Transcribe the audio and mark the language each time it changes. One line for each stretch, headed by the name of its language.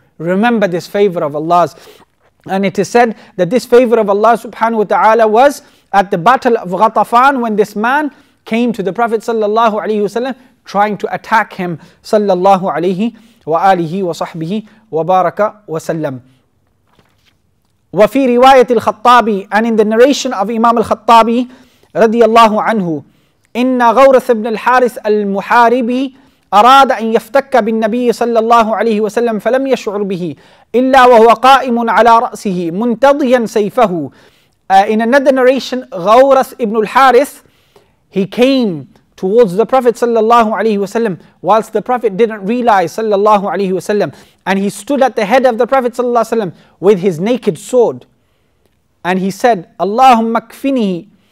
English: Remember this favor of Allah's. And it is said that this favor of Allah subhanahu wa ta'ala was at the battle of Ghatafan, when this man came to the Prophet sallallahu alayhi wa sallam trying to attack him sallallahu alayhi wa alihi wa sahbihi wa baraka wa sallam.
Arabic: وفي رواية الخطابي,
English: and in the narration of Imam al-Khattabi radiyallahu anhu,
Arabic: إن غورث بن الحارث المحاربي أراد أن يفتك بالنبي صلى الله عليه وسلم فلم يشعر به إلا وهو قائم على رأسه منتضيا سيفه.
English: In another narration, Ghawras ibn al-Harith, he came towards the Prophet صلى الله عليه وسلم whilst the Prophet didn't realize صلى الله عليه وسلم, and he stood at the head of the Prophet صلى الله عليه وسلم with his naked sword, and he said,
Arabic: اللهم اكفنيه.